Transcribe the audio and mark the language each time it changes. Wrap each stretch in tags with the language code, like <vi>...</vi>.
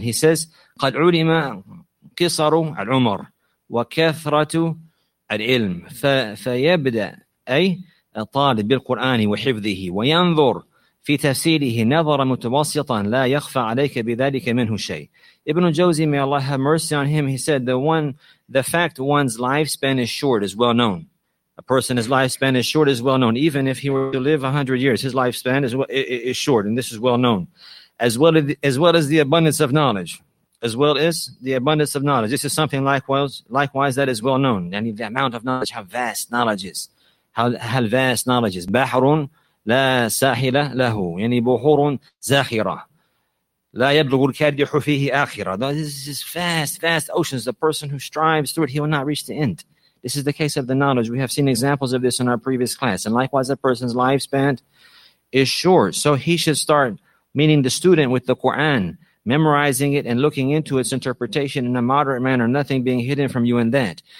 <en>He says,</en> <ar>قَدْ عُلِمَ قِصَرُ الْعُمَرُ وَكَثْرَةُ الْعِلْمُ فَيَبْدَ أي الطالب بالقرآن وحفظه وينظر في تفسيره نظر متوسطا لا يخفى عليك بذلك منه شيء.</ar> <en>Ibn Jawzi, may Allah have mercy on him, he said, the fact one's lifespan is short is well known. A person's lifespan is short is well known. Even if he were to live 100 years, his lifespan is short, and this is well known. As well as the abundance of knowledge. As well as the abundance of knowledge. This is something likewise that is well known. I mean, the amount of knowledge, how vast knowledge is. How vast knowledge is.</en> <ar>بَحْرٌ لَا سَاحِلَ لَهُ يعني بُحُورٌ زَاخِرَةٌ لا يبلغ الكادح فيه آخرة.</ar> <en>This is just vast, vast oceans. The person who strives through it, he will not reach the end. This is the case of the knowledge. We have seen examples of this in our previous class. And likewise, a person's lifespan is short. So he should start, meaning the student, with the Quran, memorizing it and looking into its interpretation in a moderate manner, nothing being hidden from you in that.</en>